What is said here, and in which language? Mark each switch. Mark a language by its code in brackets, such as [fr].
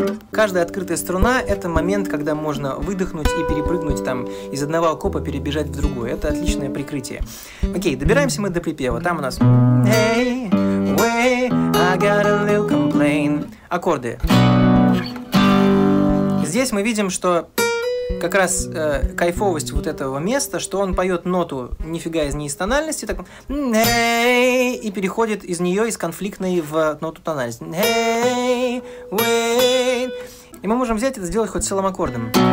[ru] Каждая открытая струна — это момент, когда можно выдохнуть и перепрыгнуть там из одного окопа перебежать в другой. Это отличное прикрытие. Окей, добираемся мы до припева. Там у нас... [en] Hey, way, I got a little complaint. [ru] Аккорды. Здесь мы видим, что... Как раз кайфовость вот этого места, что он поет ноту нифига из ней тональности, так он и переходит из нее из конфликтной в ноту тональности. И мы можем взять это сделать хоть целым аккордом.